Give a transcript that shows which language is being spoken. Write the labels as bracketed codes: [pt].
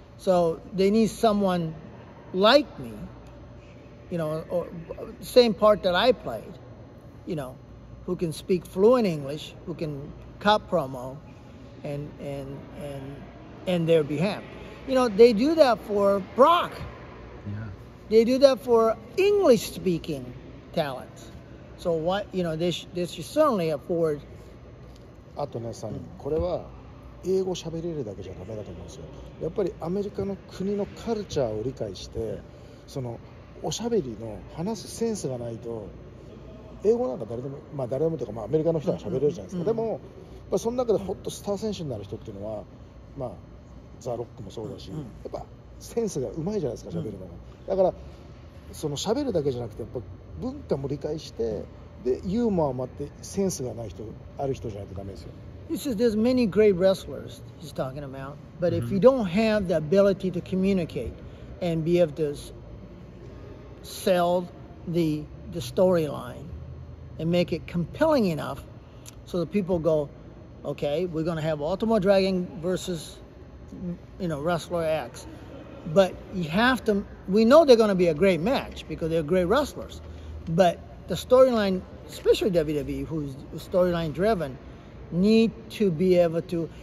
[en] So they need someone like me, you know, or same part that I played, you know, who can speak fluent English, who can cut promo and their behalf. You know, they do that for Brock. Yeah. They do that for English speaking talent. So what, you know, this should certainly afford. [ja] あとね、さん、これは英語喋れるだけじゃダメだと思うんですよ。やっぱりアメリカの国のカルチャーを理解して、そのおしゃべりの話すセンスがないと、英語なんか誰でも、まあ誰でもというか、まあアメリカの人は喋れるじゃないですか。でも、まあその中でホットスター選手になる人っていうのは、まあザ・ロックもそうだし、やっぱセンスが上手いじゃないですか、喋るのが。だから、その喋るだけじゃなくて、やっぱ文化も理解して、でユーモアもあってセンスがない人ある人じゃないとダメですよ。 [en] He says there's many great wrestlers he's talking about, but if you don't have the ability to communicate and be able to sell the storyline and make it compelling enough so the people go, okay, we're going to have Ultimo Dragon versus, you know, wrestler X, but you have to, we know they're going to be a great match because they're great wrestlers, but the storyline, especially WWE, who's storyline driven, need to be able to.